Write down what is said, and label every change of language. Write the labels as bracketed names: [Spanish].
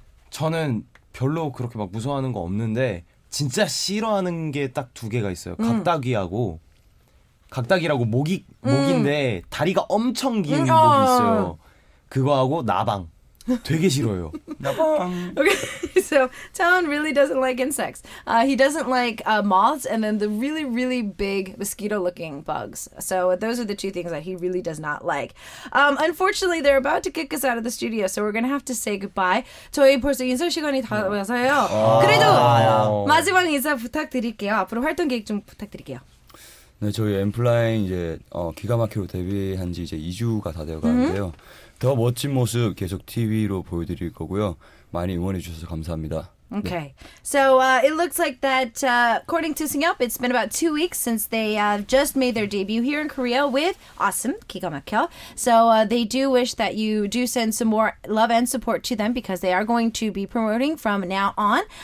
[Korean] 저는 별로 그렇게 막 무서워하는 거 없는데 진짜 싫어하는 게 딱 두 개가 있어요. 각다귀하고. 각다귀라고 목이 목인데 다리가 엄청 긴 목이 있어요. 그거하고 나방 되게 싫어요. 나방. [English] Okay, so Taeyeon really doesn't like insects. He doesn't like moths and then the really really big mosquito-looking bugs. So those are the two things that he really does not like. Unfortunately, they're about to kick us out of the studio, so we're gonna have to say goodbye. [Korean] 저희 벌써 인사 시간이 다 와서요. 그래도 마지막 인사 부탁드릴게요. 앞으로 활동 계획 좀 부탁드릴게요. 네, 저희 엔플라잉 이제 기가 막히로 데뷔한 지 이제 2주가 다 되어 가는데요. 더 멋진 모습 계속 TV로 보여드릴 거고요. 많이 응원해 주셔서 감사합니다. [English] Okay, so it looks like that according to Seungyeop, it's been about 2 weeks since they just made their debut here in Korea with Awesome, 기가 막혀. So they do wish that you do send some more love and support to them because they are going to be promoting from now on.